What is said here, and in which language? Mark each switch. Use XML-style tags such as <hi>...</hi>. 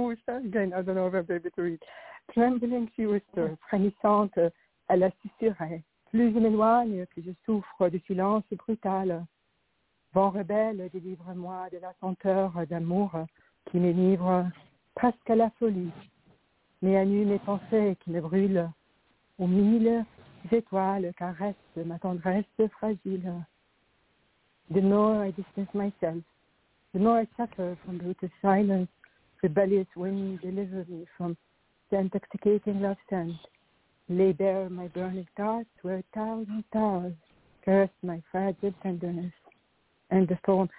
<en>I don't know if I'm able to read. Trembling, she whispered,</en> <fr>frémissante. Elle assisterait. Plus je m'éloigne, plus je souffre du silence brutal. Vent rebelle, délivre-moi de la senteur d'amour qui m'enivre presque à la folie. Mais à nu mes pensées qui me brûlent aux mille étoiles caressent ma tendresse fragile.</fr> <en>The more I distance myself, the more I suffer from the silence, rebellious wind delivers me from the intoxicating love scent. Lay bare my burning thoughts where a thousand stars curse my fragile tenderness and the storm.</en>